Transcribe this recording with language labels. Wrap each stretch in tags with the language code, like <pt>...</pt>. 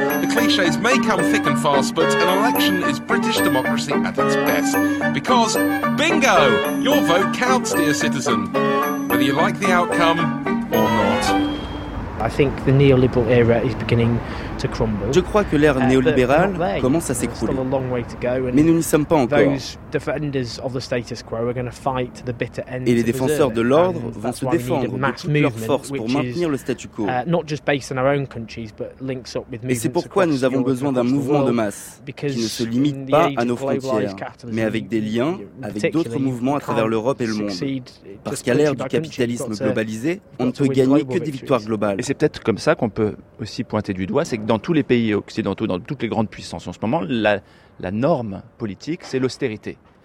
<en>The cliches may come thick and fast, but an election is British democracy at its best because bingo, your vote counts, dear citizen, whether you like the outcome or not. I think the neoliberal era is beginning to crumble.</en> <fr>Je crois que l'ère néolibérale commence à s'écrouler.</fr> <en>There's still a long way to go, and</en> <fr>mais nous n'y sommes pas encore.</fr> <en>Those defenders of the status quo are going to fight to the bitter end.</en> <fr>Et les défenseurs de l'ordre vont se défendre de toute leur force pour maintenir le statu quo.</fr> <en>Not just based in our own countries, but links up with.</en> <fr>Et c'est pourquoi nous avons besoin d'un mouvement de masse qui ne se limite pas à nos frontières, mais avec des liens avec d'autres mouvements à travers l'Europe et le monde. Parce qu'à l'ère du capitalisme globalisé, on ne peut gagner que des victoires globales. Et c'est peut-être comme ça qu'on peut aussi pointer du doigt, c'est que dans tous les pays occidentaux, dans toutes les grandes puissances en ce moment, la norme politique, c'est l'austérité.</fr>